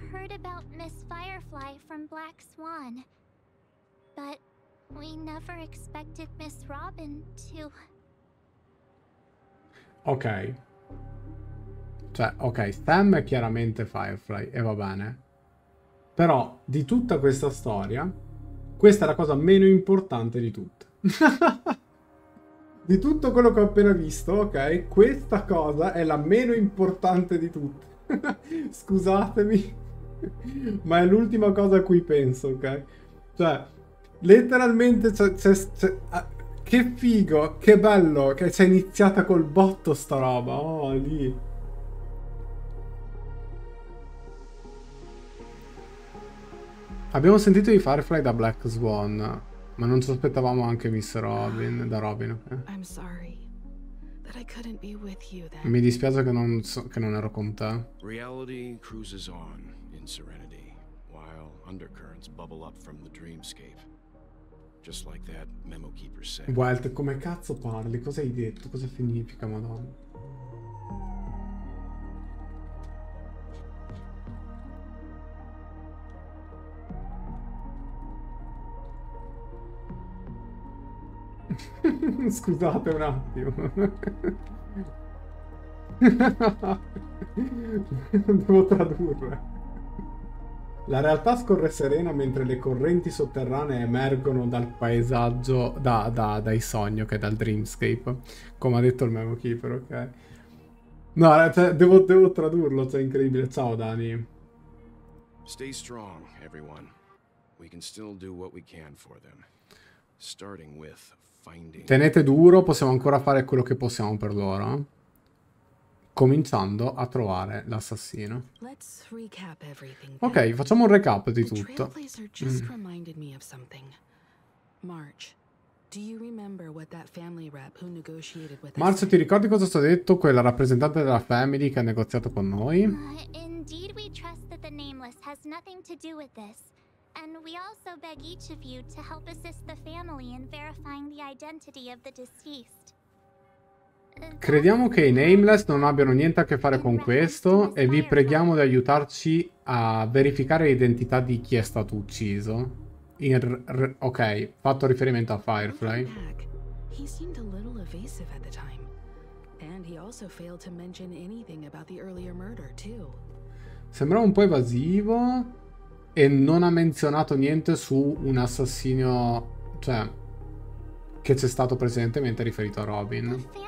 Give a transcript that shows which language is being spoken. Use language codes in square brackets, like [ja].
[en] About Miss Firefly from Black Swan, but we never expected Miss Robin to. [it] Ok, cioè, ok, Sam è chiaramente Firefly e va bene, però di tutta questa storia questa è la cosa meno importante di tutte. Di tutto quello che ho appena visto, ok, questa cosa è la meno importante di tutte. Scusatemi, ma è l'ultima cosa a cui penso, ok? Cioè, letteralmente, c'è, che figo, che bello, che c'è iniziata col botto sta roba, oh, lì. Abbiamo sentito di Firefly da Black Swan, ma non ci aspettavamo anche Miss Robin, da Robin, ok? [en] I'm sorry that I couldn't be with you then. [it] Mi dispiace che non, so, che non ero con te. [en] Reality cruises on. Serenity, while undercurrents bubble up from the dreamscape. Just like that memo keeper said. [it] Walt, come cazzo parli? Cosa hai detto? Cosa significa, madonna? Scusate un attimo. Devo tradurre. La realtà scorre serena mentre le correnti sotterranee emergono dal paesaggio, dai sogni, che è dal dreamscape, come ha detto il Memo Keeper, ok? No, cioè, devo tradurlo, cioè, incredibile. Ciao, Dani. [en] Stay strong, everyone. We can still do what we can for them. Starting with finding... [it] Tenete duro, possiamo ancora fare quello che possiamo per loro. Cominciando a trovare l'assassino. [en] Let's recap everything. [it] Ok, facciamo un recap di tutto. [en] The Trailblazer just reminded me of something. March, do you remember what that family rep who negotiated with us? [it] March, ti ricordi cosa ci ha detto quella rappresentante della family che ha negoziato con noi? [en] Indeed, we trust that the nameless has nothing to do with this, and we also beg each of you to help assist the family in verifying the identity of the deceased. [it] Crediamo che i Nameless non abbiano niente a che fare con questo e vi preghiamo di aiutarci a verificare l'identità di chi è stato ucciso. Ok, fatto riferimento a Firefly. [en] He seemed a little evasive at the time. And he also failed to mention anything about the earlier murder too. [it] Sembrava un po' evasivo e non ha menzionato niente su un assassino, cioè, che c'è stato precedentemente riferito a Robin.